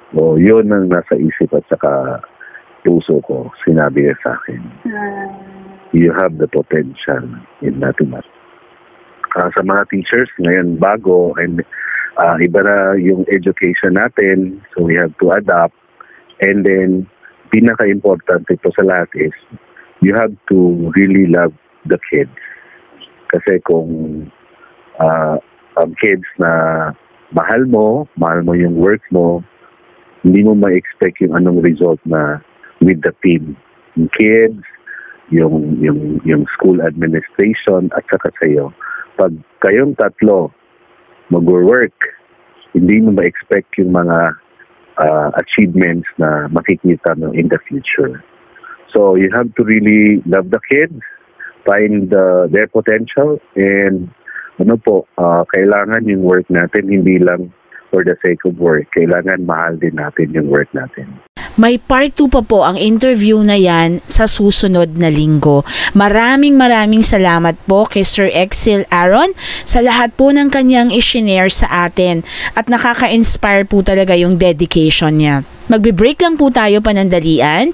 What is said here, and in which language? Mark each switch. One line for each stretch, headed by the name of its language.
Filipino: O, yun ang nasa isip at saka puso ko, sinabi niya sa akin.
English: You have the potential in mathematics.
Filipino: Sa mga teachers, ngayon bago, and iba na yung education natin,
English: so we have to adapt. And then,
Filipino: pinaka-importante po sa lahat
English: is, you have to really love the kids.
Filipino: Kasi kung ang kids na mahal mo yung work mo, hindi mo ma-expect yung anong result na with the team. Yung kids, yung school administration, at saka sa'yo. Pag kayong tatlo mag-work, hindi mo ma-expect yung mga achievements na makikita mo in the future.
English: So, you have to really love the kids, find their potential, and
Filipino: ano po, kailangan yung work natin hindi lang
English: for the sake of work.
Filipino: Kailangan mahal din natin yung work natin. May part 2 pa po ang interview na yan sa susunod na linggo. Maraming salamat po kay Sir Exquil Aron sa lahat po ng kanyang ishinare sa atin. At nakaka-inspire po talaga yung dedication niya. Magbe-break lang po tayo panandalian.